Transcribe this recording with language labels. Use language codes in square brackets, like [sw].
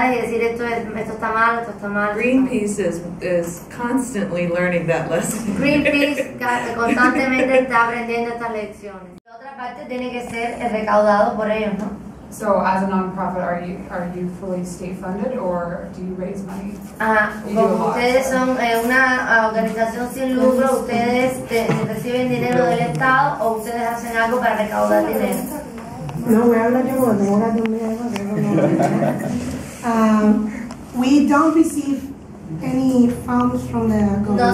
[en] Greenpeace is constantly learning that lesson. [es] Greenpeace constantemente está aprendiendo estas lecciones. [en] So, as a nonprofit, are you fully state funded, or do you raise money? [es] Ustedes son una organización sin lucro. Ustedes reciben dinero del estado, o ustedes hacen algo para recaudar dinero? [en] No, we are not doing that. We are not doing that. We don't receive any funds from the government.